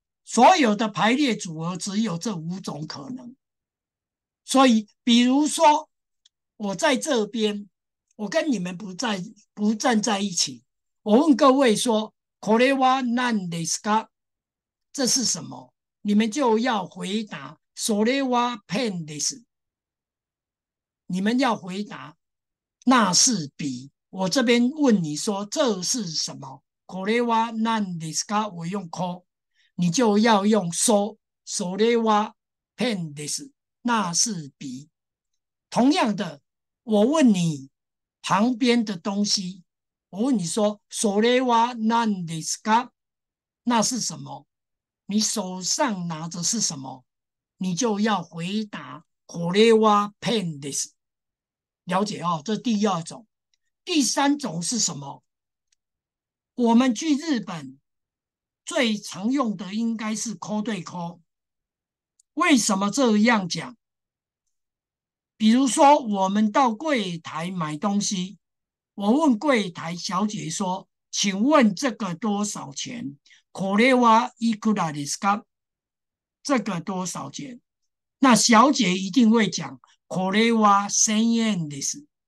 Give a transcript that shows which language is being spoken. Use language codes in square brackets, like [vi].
[zh] 所有的排列组合只有这五种可能，所以，比如说，我在这边，我跟你们不站在一起，我问各位说 [ja] “これは何ですか”， [zh] 这是什么？你们就要回答 [ja] “それはペンです”， [zh] 你们要回答那是笔。我这边问你说这是什么？ [ja] “これは何ですか”， [zh] 我用“こ”。你就要用 [ja] それは、ペンです。 [zh] 那是笔。同样的，我问你旁边的东西，我问你说 [ja] それは、何ですか？ [zh] 那是什么？你手上拿着是什么？你就要回答 [ja] これは、ペンです。 [zh] 了解哦，这第二种。第三种是什么？我们去日本。最常用的应该是 call 对 call。为什么这样讲？比如说，我们到柜台买东西，我问柜台小姐说：“请问这个多少钱？” [ja] これはいくらですか？ [zh] 这个多少钱？那小姐一定会讲： [ja] “これは千円です。